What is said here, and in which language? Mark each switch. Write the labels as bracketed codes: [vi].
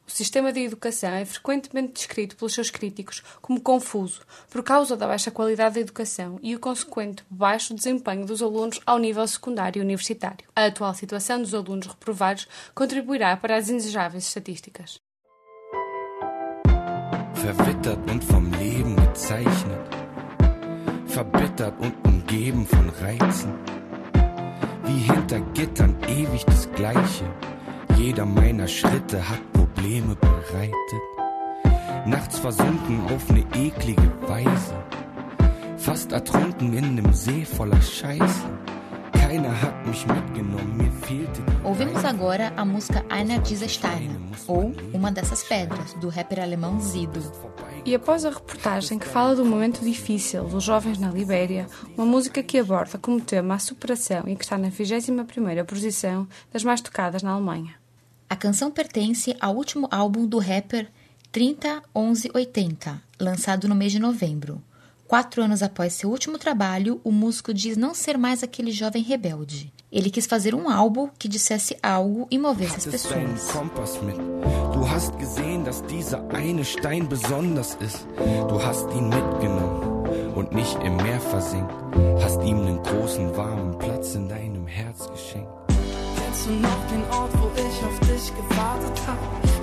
[pt] O sistema de educação é frequentemente descrito pelos seus críticos como confuso, por causa da baixa qualidade da educação e o consequente baixo desempenho dos alunos ao nível secundário e universitário. A atual situação dos alunos reprovados contribuirá para as indesejáveis estatísticas. [de] Verwittert und vom Leben gezeichnet, verbittert und umgeben von Reizen, wie hinter Gittern ewig das Gleiche, jeder meiner Schritte hat Probleme bereitet, nachts versunken auf ne eklige Weise, fast ertrunken in nem See voller Scheiße. Keiner hat mich mitgenommen, mir fehlte. [pt] Ouvimos agora a música Einer dieser Steine, ou Uma dessas Pedras, do rapper alemão Zido. E após a reportagem que fala do momento difícil dos jovens na Libéria, uma música que aborda como tema a superação e que está na 21ª posição das mais tocadas na Alemanha. A canção pertence ao último álbum do rapper 301180, lançado no mês de novembro. 4 anos após seu último trabalho, o músico diz não ser mais aquele jovem rebelde. Ele quis fazer um álbum que dissesse algo e movesse as pessoas. [de] Du hast gesehen, dass dieser eine Stein besonders ist. Du hast ihn mitgenommen und nicht im Meer versenkt. Hast ihm einen großen warmen Platz in deinem Herz geschenkt. Kennst du noch den Ort, wo ich auf dich gewartet hab?